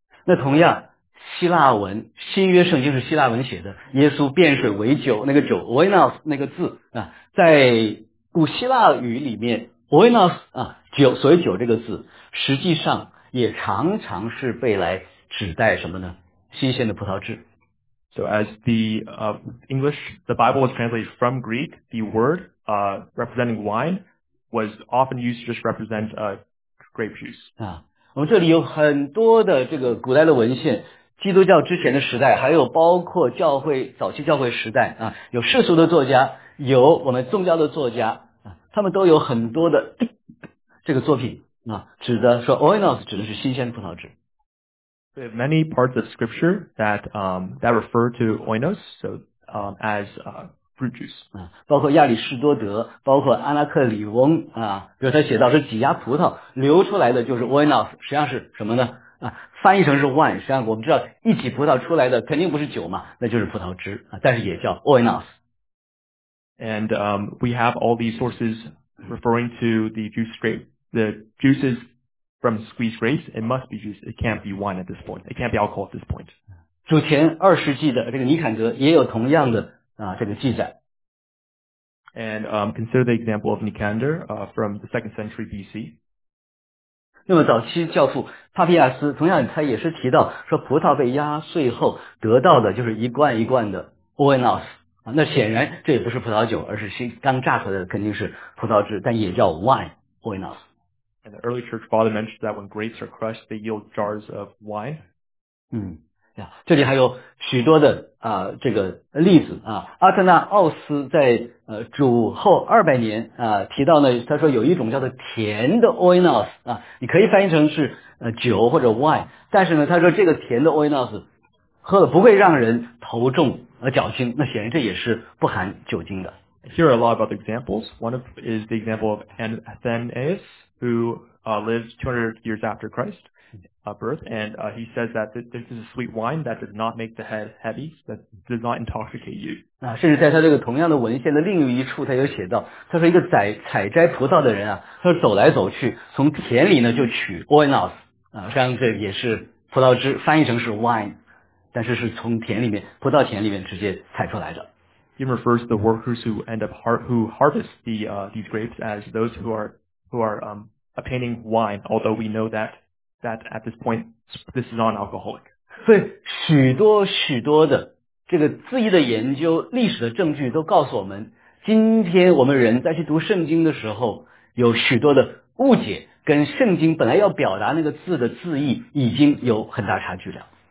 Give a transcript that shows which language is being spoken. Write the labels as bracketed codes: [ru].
[zh] 那同样，希腊文，新约圣经是希腊文写的，耶稣变水为酒，那个酒 oinos 那个字啊，在古希腊语里面 oinos 啊，酒，所谓酒这个字，实际上也常常是被来指代什么呢？新鲜的葡萄汁。 [en] So as the English, the Bible was translated from Greek, the word representing wine was often used to just represent grape juice. [zh] 啊，我们这里有很多的这个古代的文献，基督教之前的时代，还有包括教会早期教会时代啊，有世俗的作家，有我们宗教的作家啊，他们都有很多的这个作品啊，指的说 oinos 指的是新鲜葡萄汁。 [en] We have many parts of scripture that refer to oinos, so as fruit juice. [zh] 包括亚里士多德，包括安拉克里翁啊，比如他写到是挤压葡萄流出来的就是 oinos， 实际上是什么呢？啊，翻译成是 wine， 实际上我们知道一挤葡萄出来的肯定不是酒嘛，那就是葡萄汁啊，但是也叫 oinos。 [en] And we have all these sources referring to the juices. From squeezed grapes, it must be juice. It can't be wine at this point. It can't be alcohol at this point. [zh] 主前二世纪的这个尼坎德也有同样的啊这个记载。 [en] And consider the example of Nicander from the second century BC. [zh] 那么早期教父帕皮亚斯同样他也是提到说葡萄被压碎后得到的就是一罐一罐的 oinos 啊，那显然这也不是葡萄酒，而是新刚榨出来的肯定是葡萄汁，但也叫 wine oinos。 [en] And the early church father mentioned that when grapes are crushed, they yield jars of wine. [zh] 这里还有许多的这个例子啊。阿特纳奥斯在主后200年提到呢，他说有一种叫做甜的 oinos 啊，你可以翻译成是酒或者 wine， 但是呢，他说这个甜的 oinos 喝了不会让人头重而脚轻，那显然这也是不含酒精的。 [en] Here are a lot of other examples. One of is the example of Athenaeus, who lived 200 years after Christ's birth, and he says that this is a sweet wine that does not make the head heavy, that does not intoxicate you. [zh] 甚至在他这个同样的文献的另一处，他有写到，他说一个采摘葡萄的人啊，他走来走去，从田里呢就取 oinos 啊，像这也是葡萄汁，翻译成是 wine， 但是是从田里面葡萄田里面直接采出来的。 [en] He refers to the workers who end up harvest the these grapes as those who are obtaining wine. Although we know that at this point this is non-alcoholic. [zh] 所以许多许多的这个字义的研究、历史的证据都告诉我们，今天我们人在去读圣经的时候，有许多的误解，跟圣经本来要表达那个字的字义已经有很大差距了。